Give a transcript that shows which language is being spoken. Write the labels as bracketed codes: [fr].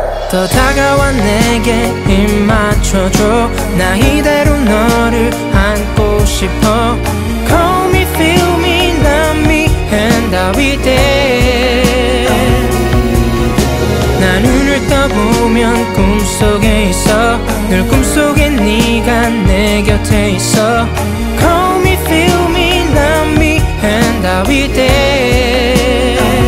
[ko] 더 다가와 내게 입 맞춰줘. 나 이대로 너를 안고 싶어. [en] Call me, feel me, love me and I'll be there. [ko] 나 눈을 떠보면 꿈속에 있어. 늘 꿈속에 네가 내 곁에 있어. [en] Call me, feel me, love me and I'll be there.